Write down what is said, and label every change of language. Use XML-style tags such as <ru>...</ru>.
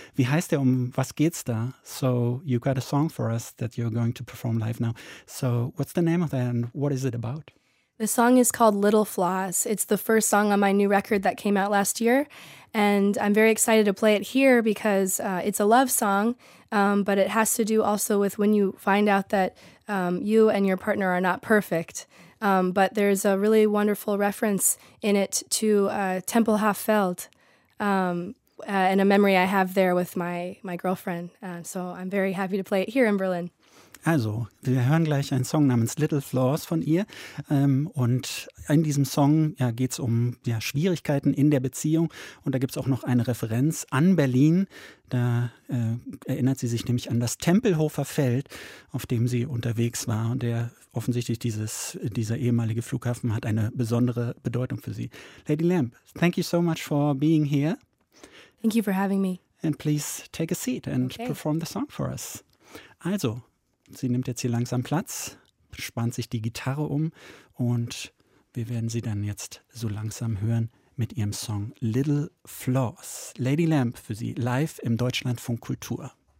<de>Wie heißt der? Um was geht's da?</de> <en>So you got a song for us that you're going to perform live now. So what's the name of that and what is it about? The song is called Little Flaws. It's the first song on my new record that came out last year. And I'm very excited to play it here because it's a love song, but it has to do also with when you find out that you and your partner are not perfect. But there's a really wonderful reference in it to Temple Hafeld and a memory I have there with my girlfriend. So I'm very happy to play it here in Berlin.</en> <de>Also, wir hören gleich einen Song namens Little Flaws von ihr. Und in diesem Song ja, geht es um ja, Schwierigkeiten in der Beziehung. Und da gibt es auch noch eine Referenz an Berlin. Da erinnert sie sich nämlich an das Tempelhofer Feld, auf dem sie unterwegs war. Und der offensichtlich dieser ehemalige Flughafen hat eine besondere Bedeutung für sie.</de> <en>Lady Lamb, thank you so much for being here. Thank you for having me. And please take a seat and okay. perform the song for us.</en> <de>Also, sie nimmt jetzt hier langsam Platz, spannt sich die Gitarre um und wir werden sie dann jetzt so langsam hören mit ihrem Song Little Flaws. Lady Lamb für Sie live im Deutschlandfunk Kultur.</de>